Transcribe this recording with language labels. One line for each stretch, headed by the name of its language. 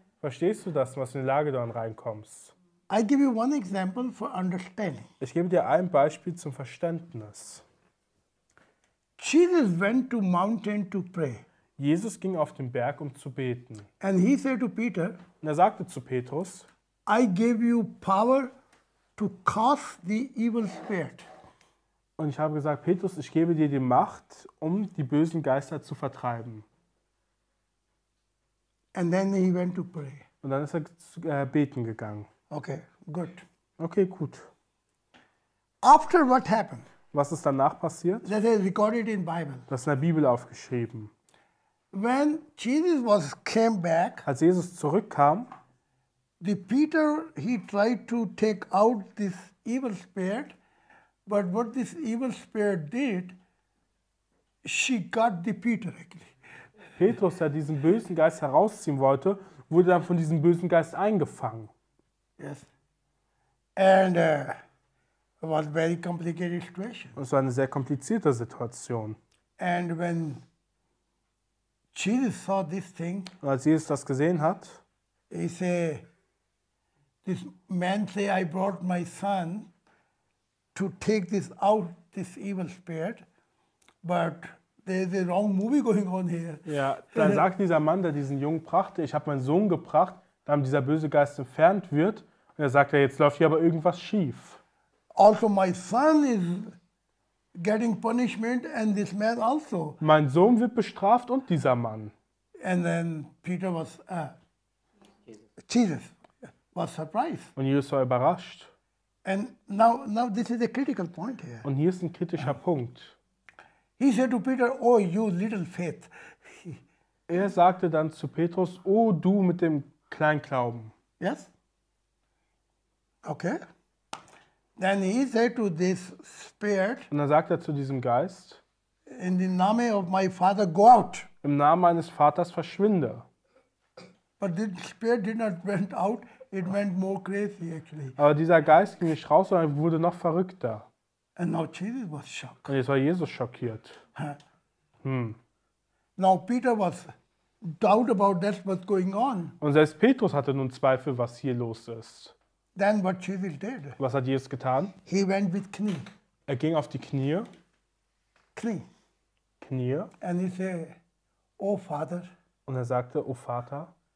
German: Verstehst du das, was in die Lage da reinkommst?
English: I give you one example for understanding.
German: Ich gebe dir ein Beispiel zum Verständnis.
English: Jesus went to mountain to pray.
German: Jesus ging auf den Berg, um zu beten.
English: And he said to Peter,
German: und er sagte zu Petrus,
English: I gave you power to cast the evil spirit.
German: Und ich habe gesagt, Petrus, ich gebe dir die Macht, um die bösen Geister zu vertreiben.
English: And then he went to pray.
German: Und dann ist er zu beten gegangen.
English: Okay, good.
German: Okay, gut.
English: After what happened?
German: Was ist danach passiert?
English: That is recorded in Bible.
German: Das ist in der Bibel aufgeschrieben.
English: When Jesus was came back,
German: als Jesus zurückkam,
English: the Peter he tried to take out this evil spirit, but what this evil spirit did, she got the Peter actually.
German: Petrus, der diesen bösen Geist herausziehen wollte, wurde dann von diesem bösen Geist eingefangen.
English: Yes. And it was a very complicated situation.
German: Und es war eine sehr komplizierte Situation.
English: And when Jesus saw this thing,
German: und als Jesus das gesehen hat,
English: he said, this man say, I brought my son to take this out, this evil spirit, but there's a wrong movie going on here.
German: Ja, dann sagt dieser Mann, der diesen Jungen brachte, ich habe meinen Sohn gebracht, damit dieser böse Geist entfernt wird. Und er sagt, jetzt läuft hier aber irgendwas schief.
English: Also my son is getting punishment and this man also.
German: Mein Sohn wird bestraft und dieser Mann.
English: And then Peter was, Jesus was surprised.
German: Und Jesus war überrascht.
English: And now this is a critical point here.
German: Und hier ist ein kritischer Punkt.
English: He said to Peter, oh, you little faith.
German: Er sagte dann zu Petrus, oh, du mit dem Kleinglauben.
English: Yes? Okay. Then he said to this spirit,
German: und dann sagt er zu diesem Geist,
English: in the name of my father, go out.
German: Im Namen meines Vaters verschwinde.
English: But the spirit did not went out, it went more crazy actually.
German: Aber dieser Geist ging nicht raus, sondern wurde noch verrückter.
English: And now Jesus was shocked.
German: Und jetzt war Jesus schockiert.
English: Now Peter was doubt about that what's going on.
German: Und selbst Petrus hatte nun Zweifel, was hier los ist.
English: Then what Jesus did?
German: Was hat Jesus getan?
English: He went with knee.
German: Er ging auf die Knie. Knie. Knie.
English: And he said, "Oh Father."
German: Und er sagte, "Oh Vater."